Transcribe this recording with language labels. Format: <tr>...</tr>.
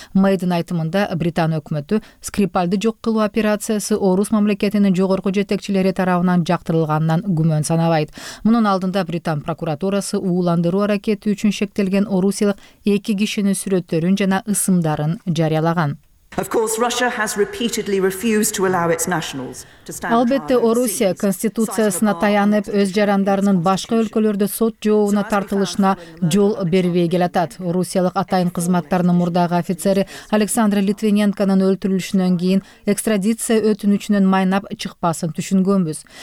<ky>Мэйдин айтымында Британ өкмөтү Скрипальды жок кылуу операциясы орус мамлекетинин жогорку жетекчилери тарабынан жактырылганынан күмөн санабайт. Мунун алдында Британ прокуратурасы ууландыруу аракети үчүн шектелген орусиялык эки кишинин сүрөттөрүн жана ысымдарын жарыялаган.</ky> <en>Of course, Russia has repeatedly refused to allow its nationals to stand trial.</en> <ky>Албетте, Орусия конституциясына таянып, өз жарандарынын башка өлкөлөрдө сот жообуна тартылышына жол бербей келатат. Орусиялык атайын кызматтарынын мурдагы офицери Александр Литвиненконун өлтүрүлүшүнөн кийин экстрадиция өтүнүчүнөн майнап чыкпасын түшүнгөнбүз.</ky>